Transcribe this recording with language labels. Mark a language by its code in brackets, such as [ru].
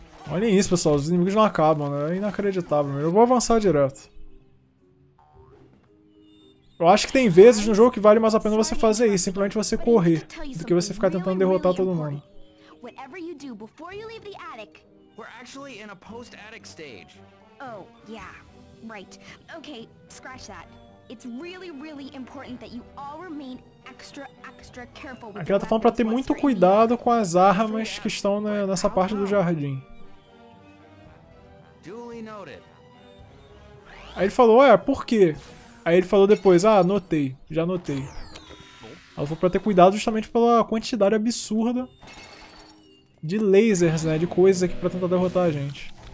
[pt] Olhem isso, pessoal. Os inimigos não acabam, né? É inacreditável. Eu vou avançar direto. Eu acho que tem vezes no jogo que vale mais a pena você fazer isso, simplesmente você correr, do que você ficar tentando derrotar todo mundo. [en] Whatever you do before you leave the attic. We're actually in a post-attic stage. Oh, yeah. Right. Okay, scratch that. It's really, really important that you all remain extra, extra careful. [pt] Aqui ela tá falando pra ter muito cuidado com as armas que estão nessa parte do jardim. [en] Duly noted. [pt] Aí ele falou, ué, por quê? Aí ele falou depois, ah, anotei, já anotei. Ela falou pra ter cuidado justamente pela quantidade absurda de lasers, né, de coisas aqui pra tentar derrotar a gente.